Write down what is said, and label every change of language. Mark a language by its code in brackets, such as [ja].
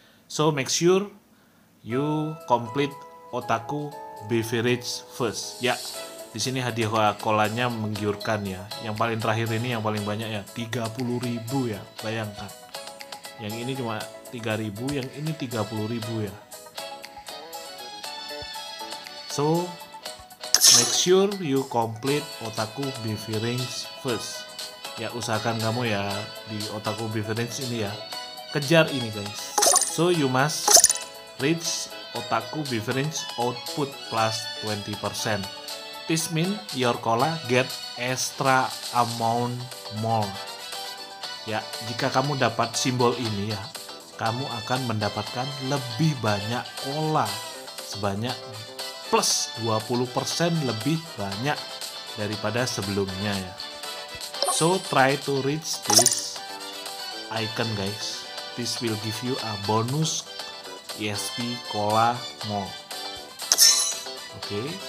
[en] So make sure you complete otaku beverage first. [id] Ya, di sini hadiah kolanya menggiurkan ya. Yang paling terakhir ini yang paling banyak ya 30.000 ya. Bayangkan. Yang ini cuma 3.000, yang ini 30.000 ya. [en] So make sure you complete otaku beverage first. [id] Ya, usahakan kamu ya di otaku beverage ini ya. Kejar ini [en] guys. So you must reach otaku beverage output plus 20%. This mean your cola get extra amount more. [id] Ya, jika kamu dapat simbol ini ya, kamu akan mendapatkan lebih banyak cola sebanyak plus 20% lebih banyak daripada sebelumnya ya. [en] So try to reach this icon guys. This will give you a bonus ESP cola more. Okay.